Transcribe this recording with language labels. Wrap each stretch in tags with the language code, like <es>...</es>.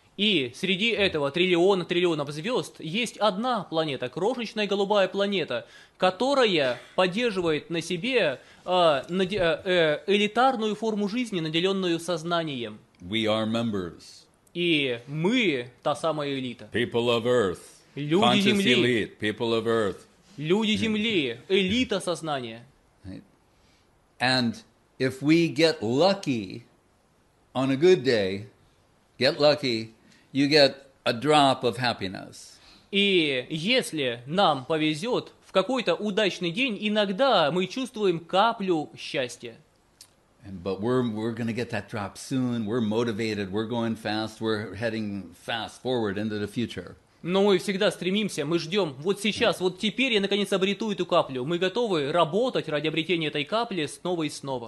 <ru>И среди этого триллионов звезд есть одна планета, крошечная голубая планета, которая поддерживает на себе элитарную форму жизни, наделенную сознанием.</ru> <en>We are members.</en> <ru>И мы та самая элита.</ru> <en>People of Earth.</en> <ru>Люди</ru> <en>conscious</en> <ru>Земли.</ru> <en>Elite, people of Earth.</en> <ru>Люди Земли, элита сознания.</ru> <en>And if we get lucky on a good day, get lucky, you get a drop of happiness.</en> <ru>И если нам повезет, в какой-то удачный день иногда мы чувствуем каплю счастья.</ru> <en>But we're going to get that drop soon. We're motivated. We're going fast. We're heading fast forward into the future.</en> <ru>Но мы всегда стремимся, мы ждем. Вот сейчас, вот теперь я наконец обрету эту каплю. Мы готовы работать ради обретения этой капли снова и снова.</ru>